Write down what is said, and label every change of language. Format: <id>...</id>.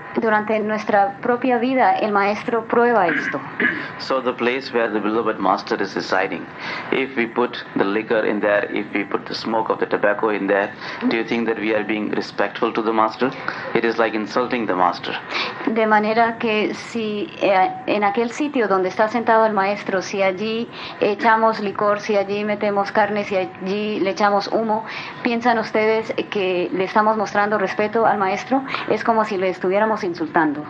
<es>Durante nuestra propia vida, el maestro prueba esto.</es> <en>So the place where the beloved master is residing, if we put the liquor in there, if we put the smoke of the tobacco in there, do you think that we are being respectful to the master? It is like insulting the master.</en> <es>De manera que si en aquel sitio donde está sentado el maestro, si allí echamos licor, si allí metemos carne, si allí le echamos humo, ¿piensan ustedes que le estamos mostrando respeto al maestro? Es como si le estuviéramos insultando.</es>